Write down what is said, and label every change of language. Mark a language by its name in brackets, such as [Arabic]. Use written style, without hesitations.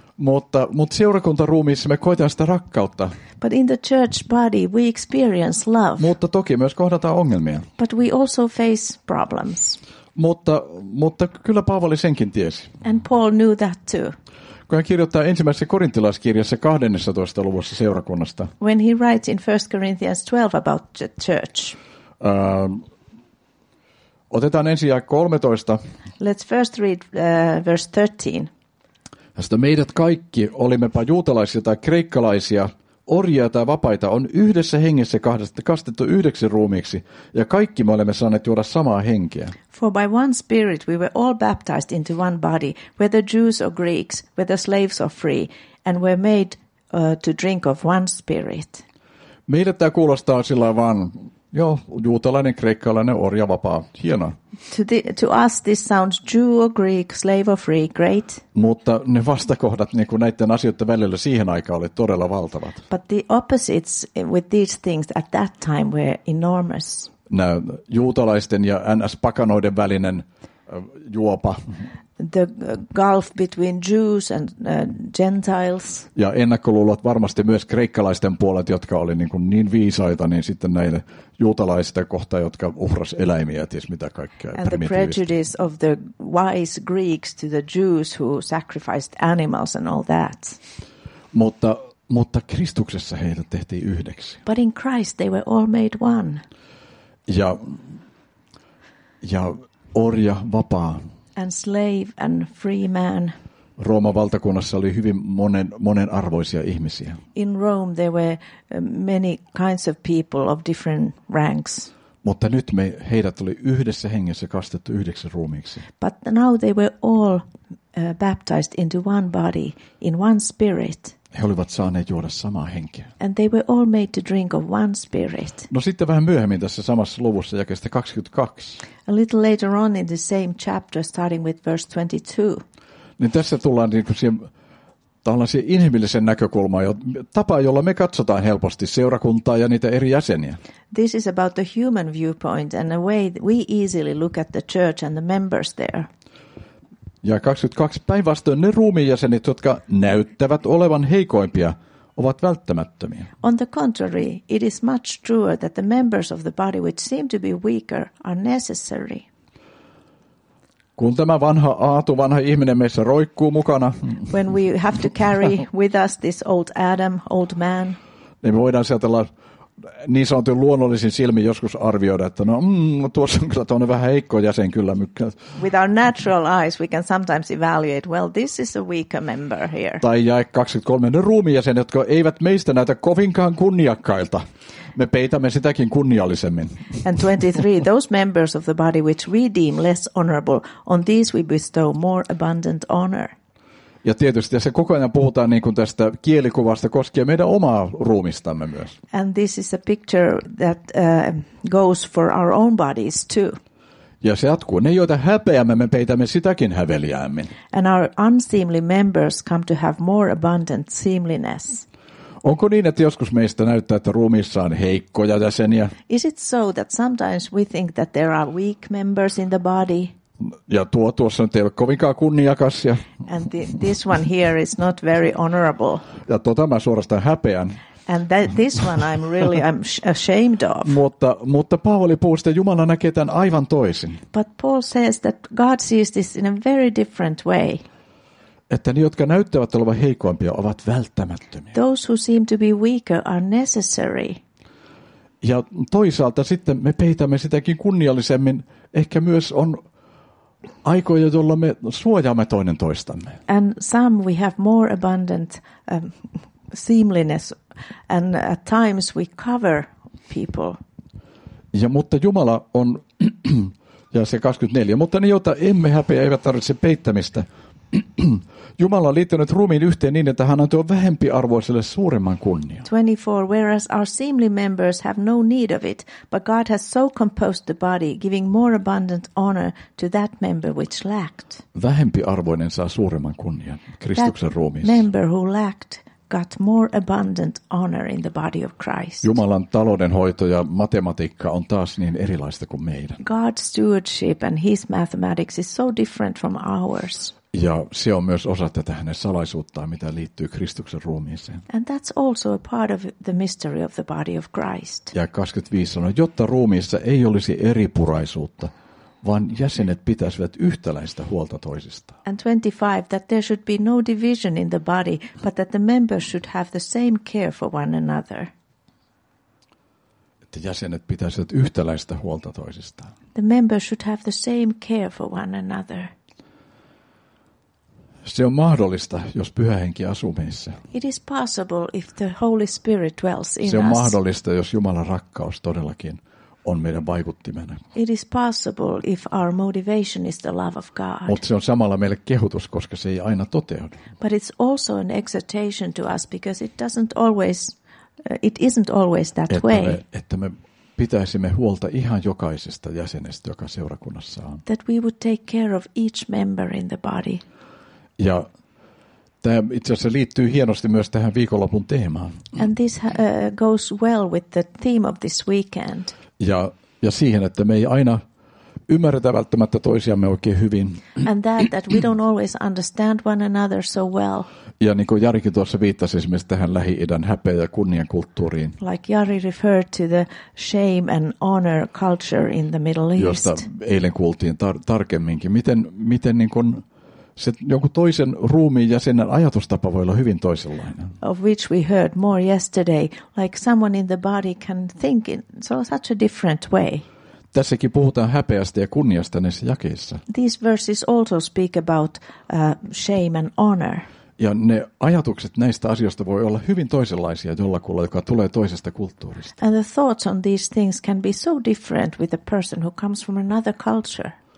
[Finnish] Mutta seurakuntaruumiissa me koetaan sitä rakkautta. [English] But in the church body we experience love. [Finnish] Mutta toki myös kohdataan ongelmia. [English] But we also face problems. [Finnish] Mutta kyllä Paavali senkin tiesi. [English] And Paul knew that too. [Finnish] Kun hän kirjoittaa ensimmäisessä korintilaiskirjassa 12. luvussa seurakunnasta. [English] When he writes in 1 Corinthians 12 about the church. [Finnish] Otetaan ensin jae 13. [English] Let's first read verse 13. [Finnish] Tästä meidät kaikki, olimmepa juutalaisia tai kreikkalaisia, orjia tai vapaita, on yhdessä hengessä kastettu yhdeksi ruumiiksi, ja kaikki me olemme saaneet juoda samaa henkeä. [English] For by one spirit we were all baptized into one body, whether Jews or Greeks, whether slaves or free, and were made to drink of one spirit. [Finnish] Meille tämä kuulostaa sillä vaan, joo, juutalainen, kreikkalainen, orja, vapaa, hienoa. [English] To us this sounds Jew or Greek, slave or free, great. [Finnish] Mutta ne vastakohdat niin kuin näiden asioiden välillä siihen aikaan oli todella valtavat. [English] But the opposites with these things at that time were enormous. [Finnish] Nämä juutalaisten ja NS-pakanoiden välinen juopa. [English] The gulf between Jews and Gentiles. [Finnish] Ja ennakkoluulot varmasti myös kreikkalaisten puolet, jotka oli niin, kuin niin viisaita, niin sitten näille juutalaisista kohtaan, jotka uhras eläimiä, ties mitä kaikkea. [English] And the prejudice of the wise Greeks to the Jews who sacrificed animals and all that. [Finnish] Mutta Kristuksessa heitä tehtiin yhdeksi. [English] But in Christ they were all made one. [Finnish] Ja orja vapaa. [English] And slave and free man. [Finnish] Rooman valtakunnassa oli hyvin monen arvoisia ihmisiä. [English] In Rome there were many kinds of people of different ranks. [Finnish] Mutta nyt me heidät oli yhdessä hengessä kastettu yhdeksi ruumiiksi. [English] But now they were all baptized into one body in one spirit. [Finnish] He olivat saaneet juoda samaa henkeä. [English] And they were all made to drink of one spirit. [Finnish] No sitten vähän myöhemmin tässä samassa luvussa, jakeesta 22. [English] A little later on in the same chapter, starting with verse 22. [Finnish] Niin tässä tullaan niin kuin siihen tällaiseen inhimillisen näkökulmaan, tapa, jolla me katsotaan helposti seurakuntaa ja niitä eri jäseniä. [English] This is about the human viewpoint and the way we easily look at the church and the members there. [Finnish] Ja 22 päinvastoin ne ruumiinjäsenet, jotka näyttävät olevan heikoimpia, ovat välttämättömiä. [English] On the contrary, it is much truer that the members of the body which seem to be weaker are necessary. [Finnish] Kun tämä vanha Aatu, vanha ihminen meissä roikkuu mukana. [English] When we have to carry with us this old Adam, old man. [Finnish] Niin me voidaan sieltä olla niin sanotun luonnollisin silmin joskus arvioida, että no tuossa on kyllä tuonne vähän heikko jäsen kyllä. [English] With our natural eyes we can sometimes evaluate, well this is a weaker member here. [Finnish] Tai jae 23, ne ruumijäsen, jotka eivät meistä näytä kovinkaan kunniakkailta. Me peitämme sitäkin kunniallisemmin. [English] And 23, those members of the body which we deem less honorable, on these we bestow more abundant honor. [Finnish] Ja tietysti tässä koko ajan puhutaan niin kuin tästä kielikuvasta koskien meidän omaa ruumistamme myös. [English] And this is a picture that goes for our own bodies too. [Finnish] Ja se jatkuu. Ne, joita häpeämme, me peitämme sitäkin häveliäämmin. [English] And our unseemly members come to have more abundant seemliness. [Finnish] Onko niin, että joskus meistä näyttää, että ruumiissa on heikkoja jäseniä? [English] Is it so that sometimes we think that there are weak members in the body? [Finnish] Ja tuossa nyt ei ole kovinkaan kunniakas. Ja [English] and this one here is not very honorable. [Finnish] Ja mä suorastaan häpeän. [English] And this one I'm ashamed of. [Finnish] Mutta Paavali puhuu, että Jumala näkee tämän aivan toisin. [English] But Paul says that God sees this in a very different way. [Finnish] Että ne, jotka näyttävät olevan heikoimpia, ovat välttämättömiä. [English] Those who seem to be weaker are necessary. [Finnish] Ja toisaalta sitten me peitämme sitäkin kunniallisemmin. Ehkä myös on aikoja, jolloin me suojaamme toinen toistamme. [English] And some we have more abundant seemliness and at times we cover people. [Finnish] Ja mutta Jumala on, ja se 24, mutta ne, joita emme häpeä, eivät tarvitse peittämistä. Jumala on liittänyt ruumiin yhteen niin, että hän antoi vähempi arvoiselle suuremman kunnian. 24. [English] Whereas our seemly members have no need of it, but God has so composed the body, giving more abundant honor to that member which lacked. [Finnish] Vähempi arvoinen saa suuremman kunnian Kristuksen ruumiissa. [English] Member who lacked got more abundant honor in the body of Christ. [Finnish] Jumalan taloudenhoito ja matematiikka on taas niin erilaista kuin meidän. [English] God's stewardship and his mathematics is so different from ours. [Finnish] Ja se on myös osa tätä hänen salaisuuttaan, mitä liittyy Kristuksen ruumiiseen. [English] And that's also a part of the mystery of the body of Christ. [Finnish] Ja 25 sanoo, jotta ruumiissa ei olisi eripuraisuutta, vaan jäsenet pitäisivät yhtäläistä huolta toisistaan. [English] And 25, that there should be no division in the body, but that the members should have the same care for one another. [Finnish] Että jäsenet pitäisivät yhtäläistä huolta toisistaan. [English] The members should have the same care for one another. [Finnish] Se on mahdollista, jos Pyhä Henki asuu meissä. [English] It is possible if the Holy Spirit dwells in us. [Finnish] Se on mahdollista, jos Jumalan rakkaus todellakin on meidän vaikuttimena. [English] It is possible if our motivation is the love of God. [Finnish] Mutta se on samalla meille kehotus, koska se ei aina toteudu. [English] But it's also an exhortation to us because it isn't always that way. [Finnish] Että me pitäisimme huolta ihan jokaisesta jäsenestä, joka seurakunnassa on. [English] That we would take care of each member in the body. [Finnish] Ja tämä itse asiassa liittyy hienosti myös tähän viikonlopun teemaan. [English] And this goes well with the theme of this weekend. [Finnish] Ja siihen, että me ei aina ymmärretä välttämättä toisiamme oikein hyvin. [English] And that we don't always understand one another so well. [Finnish] Ja niin kuin Jarikin tuossa viittasi esimerkiksi tähän Lähi-idän häpeä- ja kunniakulttuuriin. [English] Like Jari referred to the shame and honor culture in the Middle East. [Finnish] Josta eilen kuultiin tarkemminkin. Miten niin kuin se jonkun toisen ruumiin jäsenen ajatustapa voi olla hyvin toisenlainen. [English] Of which we heard more yesterday. Like someone in the body can think in such a different way. [Finnish] Tässäkin puhutaan häpeästä ja kunniasta näissä jakeissa. [English] These verses also speak about shame and honor. [Finnish] Ja ne ajatukset näistä asioista voi olla hyvin toisenlaisia jollakulla, joka tulee toisesta kulttuurista. [English] And the thoughts on these things can be so different with a person who comes from another culture.